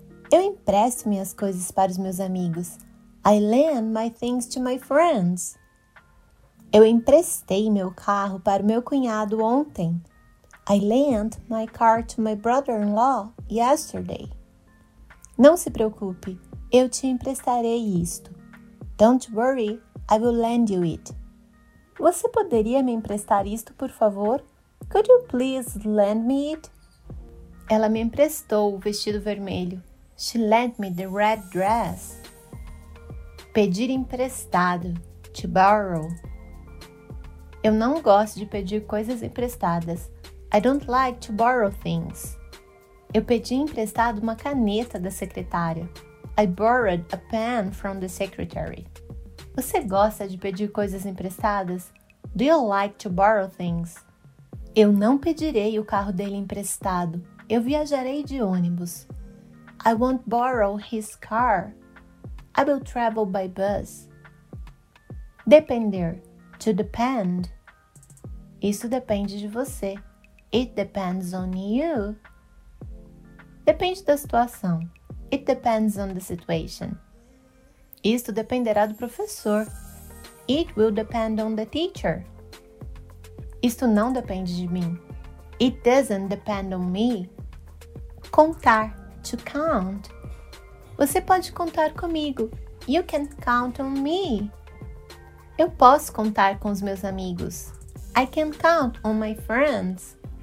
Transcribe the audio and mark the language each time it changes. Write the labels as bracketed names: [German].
[Portuguese] Eu empresto minhas coisas para os meus amigos. [English] I lend my things to my friends. [Portuguese] Eu emprestei meu carro para o meu cunhado ontem. [English] I lent my car to my brother-in-law yesterday. [Portuguese] Não se preocupe, eu te emprestarei isto. [English] Don't worry, I will lend you it. [Portuguese] Você poderia me emprestar isto, por favor? [English] Could you please lend me it? [Portuguese] Ela me emprestou o vestido vermelho. [English] She lent me the red dress. [Portuguese] Pedir emprestado. [English] To borrow. [Portuguese] Eu não gosto de pedir coisas emprestadas. [English] I don't like to borrow things. [Portuguese] Eu pedi emprestado uma caneta da secretária. [English] I borrowed a pen from the secretary. [Portuguese] Você gosta de pedir coisas emprestadas? [English] Do you like to borrow things? [Portuguese] Eu não pedirei o carro dele emprestado. Eu viajarei de ônibus. [English] I won't borrow his car. I will travel by bus. Depender. To depend. [Portuguese] Isso depende de você. [English] It depends on you. [Portuguese] Depende da situação. [English] It depends on the situation. [Portuguese] Isto dependerá do professor. [English] It will depend on the teacher. [Portuguese] Isto não depende de mim. [English] It doesn't depend on me. Contar. To count. [Portuguese] Você pode contar comigo. [English] You can count on me. [Portuguese] Eu posso contar com os meus amigos. [English] I can count on my friends.